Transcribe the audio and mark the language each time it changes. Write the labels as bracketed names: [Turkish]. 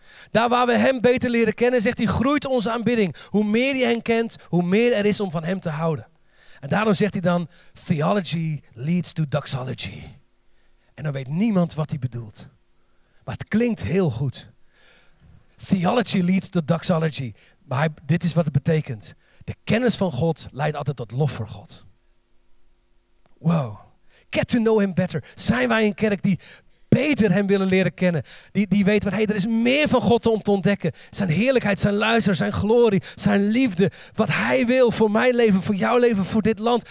[Dutch] Daar waar we hem beter leren kennen, zegt hij, groeit onze aanbidding. Hoe meer je hem kent, hoe meer er is om van hem te houden. En daarom zegt hij dan, [English] theology leads to doxology. [Dutch] En dan weet niemand wat hij bedoelt. Maar het klinkt heel goed. [English] Theology leads to doxology. [Dutch] Maar dit is wat het betekent. De kennis van God leidt altijd tot lof voor God. Wow. [English] Get to know him better. [Dutch] Zijn wij een kerk die beter hem willen leren kennen. Die weet wat, er is meer van God om te ontdekken. Zijn heerlijkheid, zijn luister, zijn glorie, zijn liefde. Wat hij wil voor mijn leven, voor jouw leven, voor dit land.